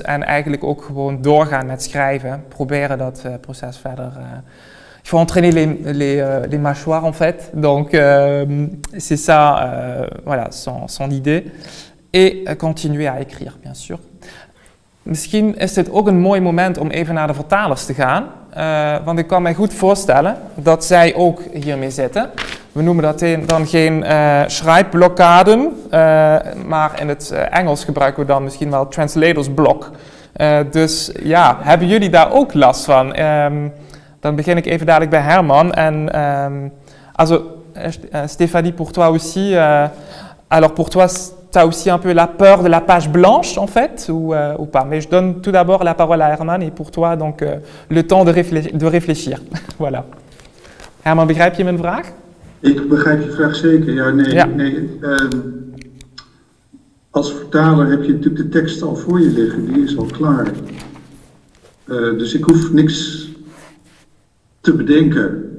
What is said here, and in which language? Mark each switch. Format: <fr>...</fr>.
<nl>En eigenlijk ook gewoon doorgaan met schrijven. Proberen dat proces verder.</nl> <fr>Il faut entraîner les mâchoires en fait. Donc c'est ça, voilà, son idée. Et continuer à écrire, bien sûr.</fr> <nl>Misschien is dit ook een mooi moment om even naar de vertalers te gaan. Want ik kan mij goed voorstellen dat zij ook hiermee zitten. We noemen dat dan geen schrijfblokkaden, maar in het Engels gebruiken we dan misschien wel translators block. Dus ja, hebben jullie daar ook last van? Dan begin ik even dadelijk bij Herman.</nl> <fr>En Stéphanie, pour toi aussi, alors pour toi, t'as aussi un peu la peur de la page blanche, en fait, ou pas? Mais je donne tout d'abord la parole à Herman et pour toi, donc, le temps de réfléchir. Voilà.</fr> <nl>Herman, begrijp je mijn vraag? Ik begrijp je vraag zeker, ja. Nee, ja. Nee. Als vertaler heb je natuurlijk de tekst al voor je liggen, die is al klaar. Dus ik hoef niks te bedenken.</nl>